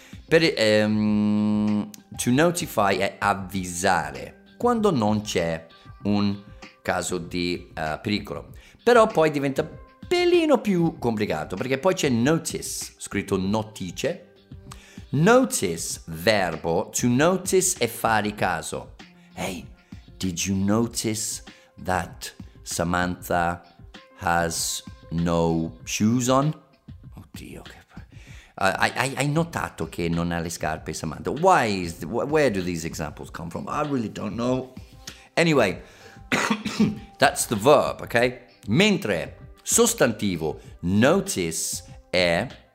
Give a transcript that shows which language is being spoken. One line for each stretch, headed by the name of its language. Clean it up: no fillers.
Italian: Per to notify è avvisare quando non c'è un caso di pericolo. Però poi diventa un pelino più complicato, perché poi c'è notice, scritto notice. Notice, verbo, to notice e fare caso.
English: Hey, did you notice that Samantha has no shoes on?
Italian: Oddio, che... Hai notato che non ha le scarpe Samantha?
English: Why is... where do these examples come from? I really don't know. Anyway, that's the verb, okay?
Italian: Mentre, sostantivo, notice è...